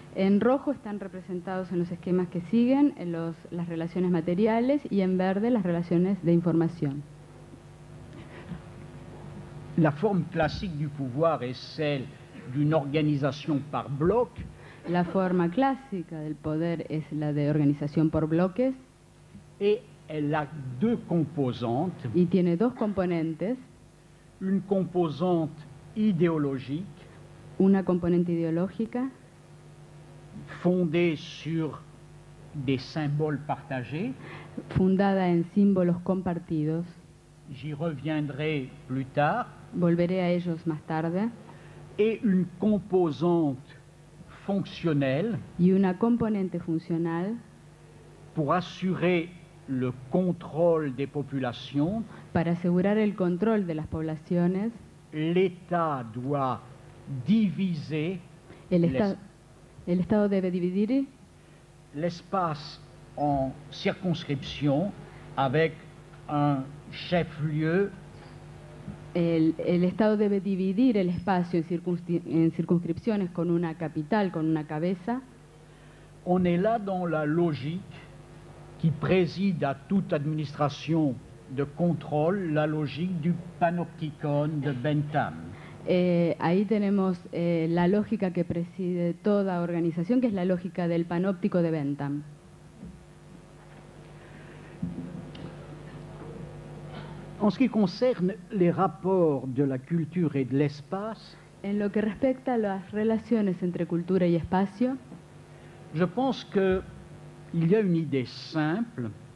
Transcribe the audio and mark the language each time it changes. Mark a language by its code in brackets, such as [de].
[es] En rojo están representados en los esquemas que siguen en los, las relaciones materiales y en verde las relaciones de información. [fr] La forme classique du pouvoir est celle d'une organisation par bloc. [es] La forma clásica del poder es la de organización por bloques. [fr] Et elle a deux composantes. [es] Y tiene dos componentes. [fr] Une composante idéologique. [es] Una componente ideológica. [fr] Fondée sur des symboles partagés. [es] Fundada en símbolos compartidos. [fr] J'y reviendrai plus tard. [es] Volveré a ellos más tarde. [fr] Et une composante fonctionnelle. [es] Y una componente funcional. [fr] Pour assurer le contrôle des populations. [es] Para asegurar el control de las poblaciones. [fr] L'État doit diviser. [es] El Estado debe dividir [fr] l'espace en circonscription avec un chef-lieu. [es] El Estado debe dividir el espacio en circunscripciones con una capital, con una cabeza. [fr] On est là dans la logique qui préside à toute administration de contrôle, la logique du panopticon de Bentham. [es] Ahí tenemos la lógica que preside toda organización, que es la lógica del panóptico de Bentham. [fr] En ce qui concerne les rapports de la culture et de l'espace, [es] en lo que respecta a las relaciones entre cultura y espacio, [fr] je pense que il y a une idée simple.